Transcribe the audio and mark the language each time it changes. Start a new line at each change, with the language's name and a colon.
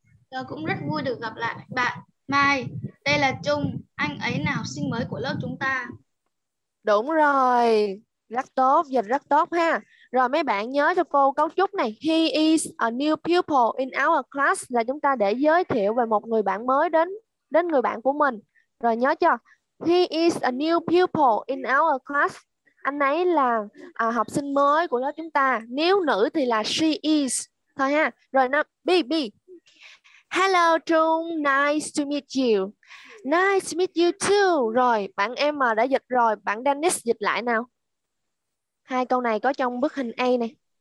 Vietnamese: Tôi cũng rất vui được gặp lại bạn. Mai, đây là Trung, anh ấy là học sinh mới của lớp chúng ta. Đúng rồi, rất tốt, dịch rất tốt ha. Rồi mấy bạn nhớ cho cô cấu trúc này.
English: He is a new pupil in our class
Vietnamese: là chúng ta để giới thiệu về một người bạn mới đến người bạn của mình. Rồi nhớ chưa?
English: He is a new pupil in our class.
Vietnamese: Anh ấy là học sinh mới của lớp chúng ta. Nếu nữ thì là she is. Thôi ha. Rồi nó B.
English: Hello Trung, nice to meet you. Nice to meet you too.
Vietnamese: Rồi, bạn em mà đã dịch rồi, bạn Dennis dịch lại nào. Hai câu này có trong bức hình A này.